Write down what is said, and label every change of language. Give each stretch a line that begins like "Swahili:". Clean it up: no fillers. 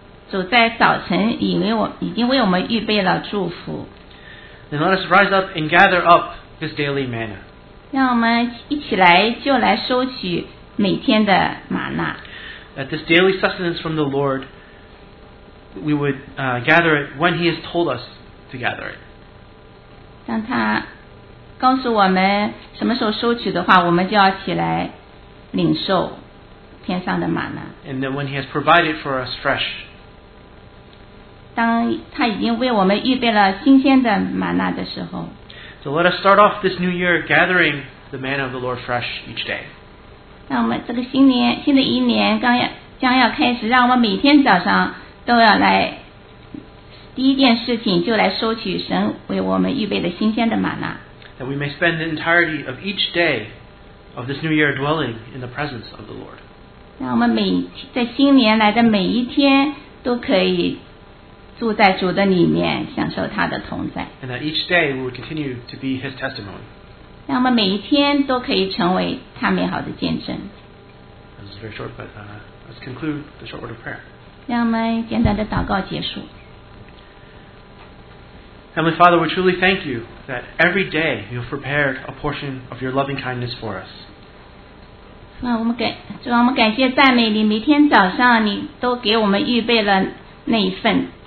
Chinese: 主在早晨已经为我们预备了祝福。
English: Then let us rise up and gather up this daily manna.
Chinese: 让我们一起来就来收取每天的玛纳。
English: That this daily sustenance from the Lord, we would gather it when He has told us to gather it.
Chinese: 当他告诉我们什么时候收取的话，我们就要起来领受天上的玛纳。
English: And then when He has provided for us fresh.
Chinese: 当他已经为我们预备了新鲜的玛纳的时候
English: So let us start off this new year gathering the manna of the Lord fresh each day.
Chinese: 让我们这个新的一年将要开始，让我们每天早上都要来第一件事情就来收取神为我们预备的新鲜的玛纳
English: That we may spend the entirety of each day of this new year dwelling in the presence of the Lord.
Chinese: 让我们在新年来的每一天都可以住在主的里面，享受他的同在。
English: And that each day we would continue to be His testimony.
Chinese: 让我们每一天都可以成为他美好的见证。
English: That was very short, but let's conclude the short word of prayer.
Chinese: 让我们简短的祷告结束。
English: Heavenly Father, we truly thank you that every day you have prepared a portion of your loving kindness for us.
Chinese: 主啊，我们感谢赞美你，每天早上你都给我们预备了那一份。